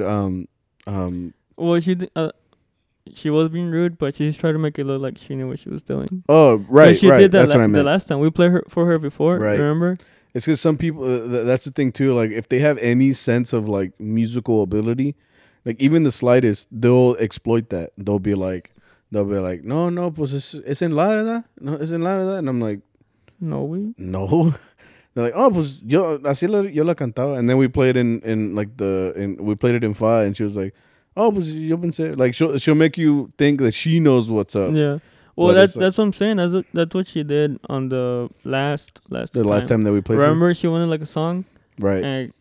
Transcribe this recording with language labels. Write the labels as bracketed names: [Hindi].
[English] well, she was being rude, but she's trying to make it look like she knew what she was doing. Oh, right, she right. Did that, that's what I meant. The last time we played her before, right. Remember? It's because some people, that's the thing too. Like, if they have any sense of like musical ability, like even the slightest, they'll exploit that. They'll be like, [Spanish] no, no, pues es en la verdad. No, es en la verdad. [English] And I'm like, no, we? No. They're like, [Spanish] oh, pues yo, así la, yo la cantaba. [English] And then we played in fa, and she was like, oh, but you've been saying, like, she'll make you think that she knows what's up. Yeah. Well, that's what I'm saying. That's what she did on the last time. The last time that we played. Remember, she wanted, like, a song? Right.